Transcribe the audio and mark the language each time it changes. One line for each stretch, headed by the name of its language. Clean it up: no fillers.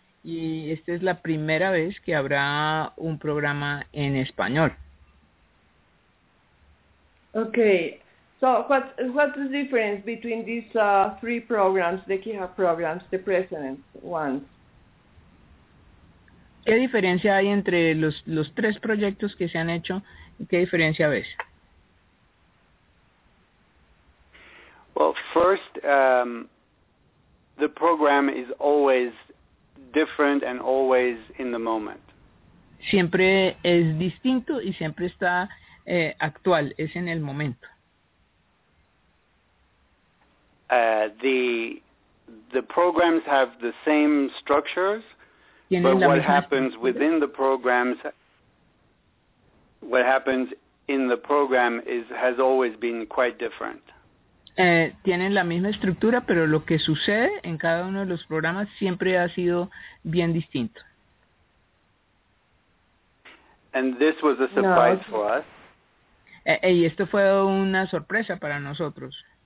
Spanish: Y esta es la primera vez que habrá un programa en español. Okay.
English: So what's the difference between these three programs, the Kihak programs, the present ones?
Spanish: ¿Qué diferencia hay entre los tres proyectos que se han hecho? ¿Qué diferencia ves?
English: Well, first, the program is always different and always in the moment.
Spanish: Siempre es distinto y siempre está actual, es en el momento.
English: The programs have the same structures, but what happens within the programs what happens in the program is has always been quite different.
Spanish: Tienen la misma estructura, pero lo que sucede en cada uno de los programas siempre ha sido bien distinto.
English: And this was a surprise for us.
Spanish: Y esto fue una sorpresa para nosotros.